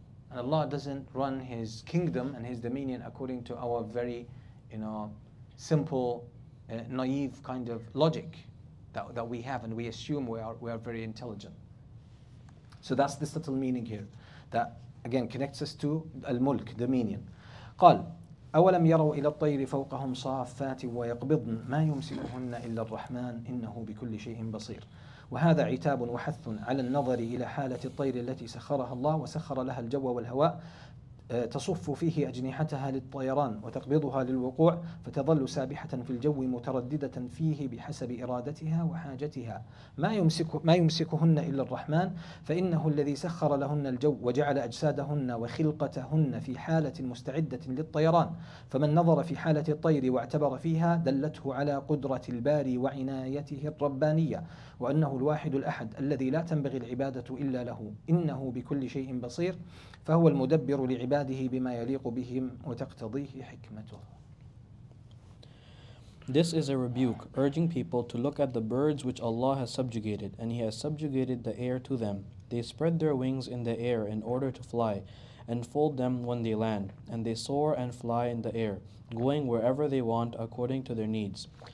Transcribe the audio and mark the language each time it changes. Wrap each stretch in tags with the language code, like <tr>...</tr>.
<en>And Allah doesn't run His kingdom and His dominion according to our very, you know, simple, naive kind of logic that we have, and we assume we are very intelligent. So that's the subtle meaning here that again connects us to al-mulk, dominion.</en> <ar>قال أولم يروا إلى الطير فوقهم صافات ويقبضن ما يمسكهن إلا الرحمن إنه بكل شيء بصير وهذا عتاب وحث على النظر إلى حالة الطير التي سخرها الله وسخر لها الجو والهواء تصف فيه أجنحتها للطيران وتقبضها للوقوع فتظل سابحة في الجو مترددة فيه بحسب إرادتها وحاجتها ما يمسكهن إلا الرحمن فإنه الذي سخر لهن الجو وجعل أجسادهن وخلقتهن في حالة مستعدة للطيران فمن نظر في حالة الطير واعتبر فيها دلته على قدرة الباري وعنايته الربانية وأنه الواحد الأحد الذي لا تنبغي العبادة إلا له إنه بكل شيء بصير فهو المدبر لعباده بما يليق بهم وتقتضيه حكمته.</ar> <en>This is a rebuke urging people to look at the birds which Allah has subjugated, and He has subjugated the air to them. They spread their wings in the air in order to fly, and fold them when they land, and they soar and fly in the air, going wherever they want according to their needs.</en>